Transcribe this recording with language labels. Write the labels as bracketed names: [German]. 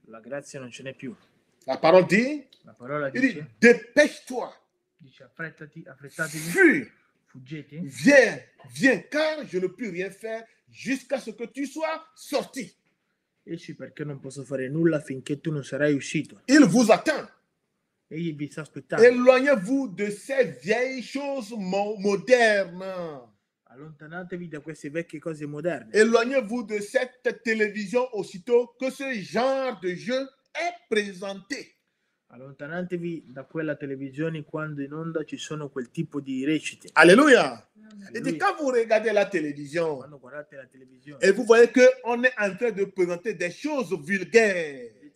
[French] La parole dit, il dit, dépêche-toi. Fuis. Viens, viens, car je ne puis rien faire jusqu'à ce que tu sois sorti. [Italian] Esci perché non posso fare nulla finché tu non sarai uscito. [French] Il vous attend. [Italian] Egli vi sta aspettando. [French] Éloignez-vous de ces vieilles choses modernes. [Italian] Allontanatevi da queste vecchie cose moderne. [French] Éloignez-vous de cette télévision aussitôt que ce genre de jeu est présenté. [Italian] Allontanatevi da quella televisione quando in onda ci sono quel tipo di recite. Alleluia. [French] Et dit, quand vous regardez la télévision, et vous voyez que on est en train de présenter des choses vulgaires.